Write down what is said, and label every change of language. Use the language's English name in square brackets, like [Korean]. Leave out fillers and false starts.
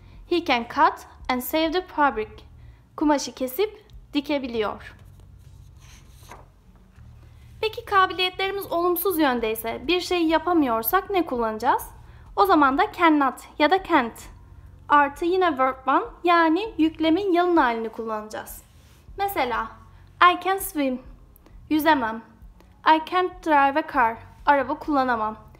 [English] He can cut and save the fabric. [Turkish] Kumaşı kesip dikebiliyor. Peki kabiliyetlerimiz olumsuz yöndeyse, bir şeyi yapamıyorsak ne kullanacağız? O zaman da cannot ya da can't. Artı yine verb one, yani yüklemin yalın halini kullanacağız. Mesela, [English] I can swim, [Turkish] yüzemem. [English] I can't drive a car, [Turkish] araba kullanamam.